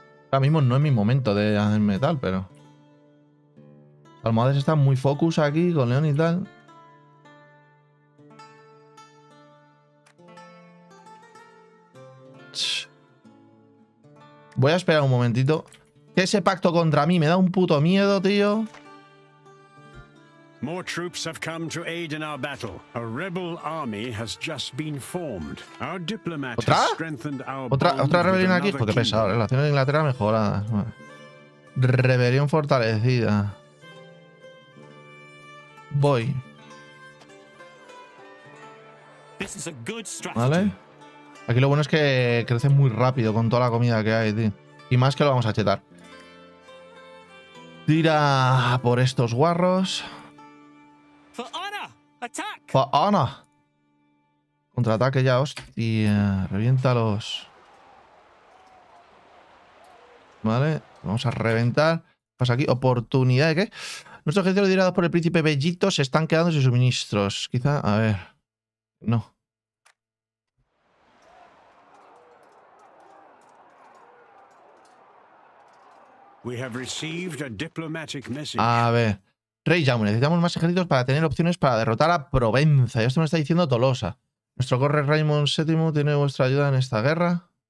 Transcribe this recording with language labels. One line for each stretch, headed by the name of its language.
Spanish: Ahora mismo no es mi momento de hacerme tal, pero... Almohades está muy focus aquí con León y tal. Voy a esperar un momentito. Que ese pacto contra mí me da un puto miedo, tío.
English: More troops have come to aid in our battle. A rebel army has just been formed. Our diplomat
Spanish: ¿otra?
English: Has strengthened our
Spanish: otra rebelión aquí, porque pesa, relaciones de Inglaterra mejoradas. Bueno. Rebelión fortalecida. Voy.
English: This is a good strategy.
Spanish: ¿Vale? Aquí lo bueno es que crece muy rápido con toda la comida que hay, tío. Y más que lo vamos a chetar. Tira por estos guarros.
English: For honor, attack. For honor.
Spanish: Contraataque ya, hostia. Reviéntalos. Vale, vamos a reventar. ¿Qué pasa aquí? Oportunidad de qué. Nuestros ejércitos liderados por el príncipe Bellito se están quedando sin suministros. Quizá, a ver. No.
English: We have received a diplomatic message.
Spanish: A ver. Rey Jaume, necesitamos más ejércitos para tener opciones para derrotar a Provenza. Y esto me está diciendo Tolosa. Nuestro corre Raymond VII tiene vuestra ayuda en esta guerra.